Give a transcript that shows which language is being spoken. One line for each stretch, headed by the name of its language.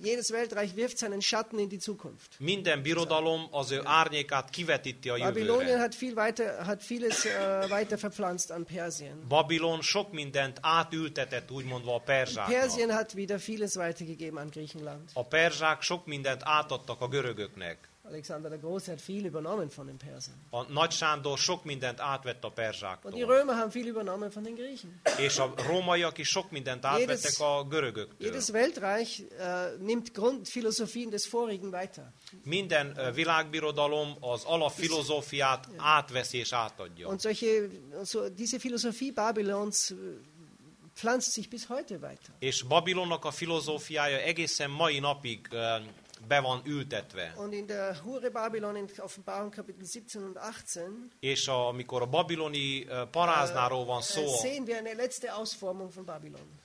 German: Jedes Weltreich wirft seinen Schatten in die Zukunft.
Hungarian: Minden birodalom az ő árnyékát kivetíti a jövőre.
German: Babylonien hat vieles weiter verpflanzt an Persien.
Hungarian: Babylon sok mindent átültetett, úgymondva a perzsáknak.
German: Persien hat wieder vieles weitergegeben an Griechenland.
Hungarian: A perzsák sok mindent átadtak a görögöknek.
German: Alexander der Große hat viel übernommen von den Persern.
Hungarian: Und Nagy Sándor sok mindent átvett a perzsáktól.
German: Und die Römer haben viel übernommen von den Griechen.
Hungarian: És a rómaiak is sok mindent átvettek a görögöktől.
German: Jedes Weltreich nimmt Grundphilosophien des vorigen weiter.
Hungarian: Minden világbirodalom az alapfilozófiát átveszi és átadja.
German: Und solche, so diese Philosophie Babylons pflanzt sich bis heute weiter.
Hungarian: És Babilonnak a filozófiája egészen mai napig be van ültetve.
German: Und in der Hure Babylon in Offenbarung Kapitel 17 und 18.
Hungarian: És amikor a babiloni paráznáról van szó.
German: Sehen wir eine letzte Ausformung von Babylon.